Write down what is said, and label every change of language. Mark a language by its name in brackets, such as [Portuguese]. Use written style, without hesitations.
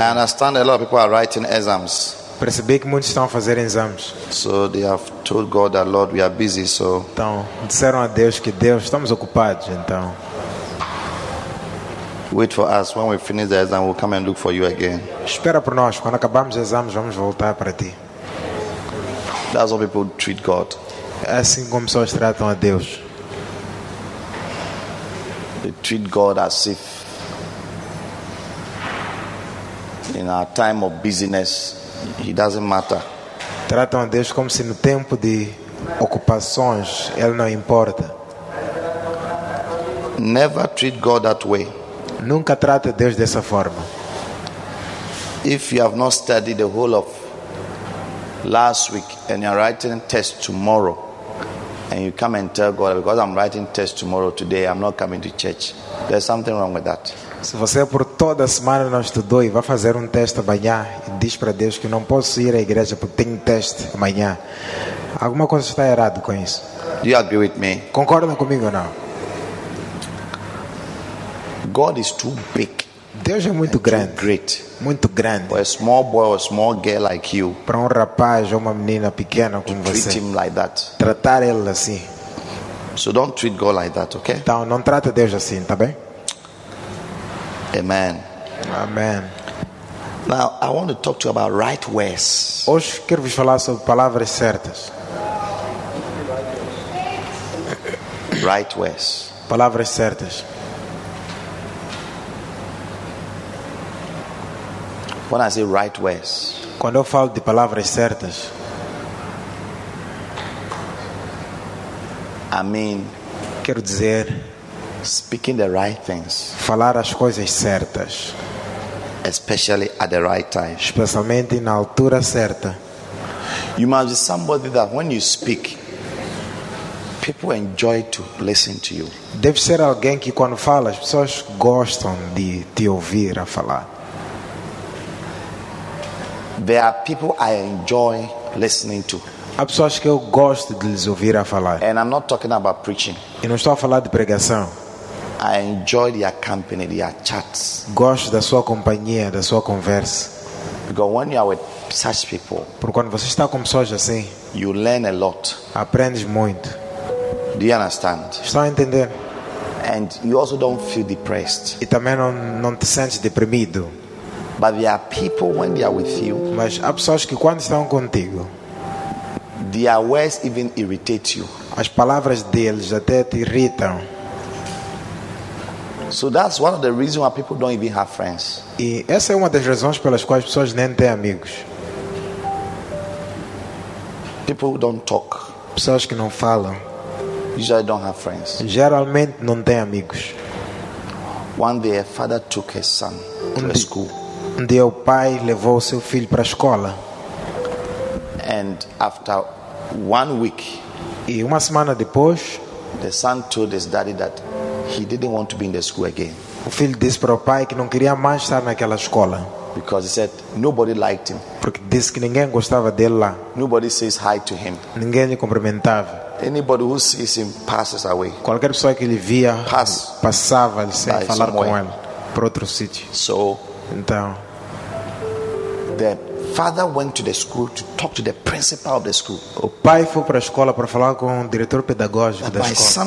[English] I understand a lot of people are writing exams. [Portuguese] Percebi que muitos estão a fazer exames. [English] So they have told God that Lord, we are busy. So. [Portuguese] Então disseram a Deus que Deus estamos ocupados. Então. [English] Wait for us when we finish the exam. We'll come and look for you again. [Portuguese] Espera por nós quando acabarmos os exames. Vamos voltar para ti. [English] That's how people treat God. [Portuguese] É assim como pessoas tratam a Deus. [English] They treat God as if in our time of busyness, he doesn't matter. [Portuguese] Tratam a Deus como se no tempo de ocupações ele não importa. [English] Never treat God that way. [Portuguese] Nunca trate Deus dessa forma. [English] If you have not studied the whole of last week and you are writing test tomorrow, and you come and tell God, because I'm writing test tomorrow, today I'm not coming to church, there's something wrong with that. [Portuguese] Se você por toda a semana não estudou e vai fazer um teste amanhã e diz para Deus que não posso ir à igreja porque tenho teste amanhã, alguma coisa está errada com isso. [English] Do you agree with me? [Portuguese] Concorda comigo ou não? [English] God is too big. [Portuguese] Deus é muito grande. [English] Great. [Portuguese] Muito grande. [English] For a small boy or a small girl like you. [Portuguese] Para rapaz ou uma menina pequena como você. [English] Treat him like that. [Portuguese] Tratar ele assim. [English] So don't treat God like that, okay? [Portuguese] Então não trate Deus assim, tá bem? [English] Amen. [Portuguese] Amen. [English] Now I want to talk to you about right words. [Portuguese] Hoje quero vos falar sobre palavras certas. [English] Right words. [Portuguese] Palavras certas. [English] When I say right words, [Portuguese] quando eu falo de palavras certas, [English] I mean, [Portuguese] quero dizer, [English] speaking the right things, [Portuguese] falar as coisas certas, [English] especially at the right time, [Portuguese] especialmente na altura certa. [English] You must be somebody that when you speak, people enjoy to listen to you. [Portuguese] Deve ser alguém que quando fala, as pessoas gostam de te ouvir a falar. [English] There are people I enjoy listening to. [Portuguese] Há pessoas que eu gosto de lhes ouvir a falar. [English] And I'm not talking about preaching. [Portuguese] E não estou a falar de pregação. [English] I enjoy their company, their chats. [Portuguese] Gosto da sua companhia, da sua conversa. [English] Because when you are with such people, [Portuguese] porque quando você está com pessoas assim, [English] you learn a lot. [Portuguese] Aprendes muito. [English] Do you understand? [Portuguese] Estão a entender? [English] And you also don't feel depressed. [Portuguese] E também não te sentes deprimido. [English] But there are people when they are with you. [Portuguese] Mas há pessoas que quando estão contigo, [English] their words even irritate you. [Portuguese] As palavras deles até te irritam. [English] So that's one of the reasons why people don't even have friends. [Portuguese] E essa é uma das razões pelas quais as pessoas nem têm amigos. [English] People don't talk. [Portuguese] Pessoas que não falam. [English] Usually don't have friends. [Portuguese] Geralmente não têm amigos. [English] One day a father took his son to a school. [Portuguese] Um dia o pai levou seu filho para a escola. [English] And after 1 week, [Portuguese] e uma semana depois, [English] the son told his daddy that he didn't want to be in the school again. [Portuguese] O filho disse para o pai que não queria mais estar naquela escola. [English] Because he said nobody liked him. [Portuguese] Porque disse que ninguém gostava dele lá. [English] Nobody says hi to him. [Portuguese] Ninguém lhe cumprimentava. [English] Anybody who sees him passes away. [Portuguese] Qualquer pessoa que ele via passava sem falar com ele para outro sítio. [English] So, [Portuguese] então, [English] the father went to the school to talk to the principal of the school. [Portuguese] O pai foi para a escola para falar com o diretor pedagógico da escola.